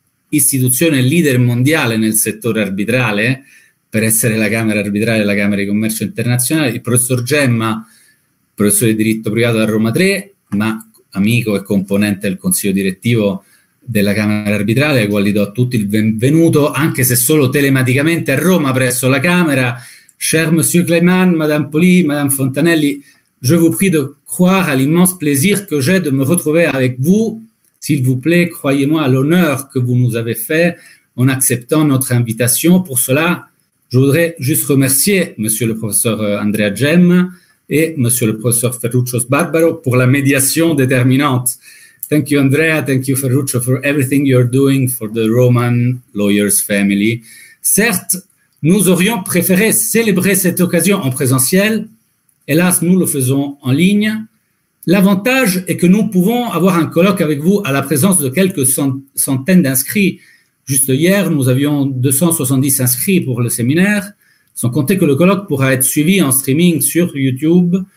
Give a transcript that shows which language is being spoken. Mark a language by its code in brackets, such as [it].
[it] istituzione leader mondiale nel settore arbitrale, per essere la Camera Arbitrale e la Camera di Commercio Internazionale, il professor Gemma, professore di diritto privato a Roma 3, ma amico e componente del consiglio direttivo della Camera Arbitrale, ai quali do a tutti il benvenuto, anche se solo telematicamente a Roma presso la Camera. [fr] Cher Monsieur Kleiman, Madame Poli, Madame Fontanelli, je vous prie de croire à l'immense plaisir que j'ai de me retrouver avec vous. S'il vous plaît, croyez-moi à l'honneur que vous nous avez fait en acceptant notre invitation. Pour cela, je voudrais juste remercier Monsieur le professeur Andrea Gemma et Monsieur le professeur Ferruccio Sbarbaro pour la médiation déterminante. [en] Thank you, Andrea. Thank you, Ferruccio, for everything you're doing for the Roman lawyers family. [fr] Certes, nous aurions préféré célébrer cette occasion en présentiel. Hélas, nous le faisons en ligne. L'avantage est que nous pouvons avoir un colloque avec vous à la présence de quelques centaines d'inscrits. Juste hier, nous avions 270 inscrits pour le séminaire, sans compter que le colloque pourra être suivi en streaming sur YouTube.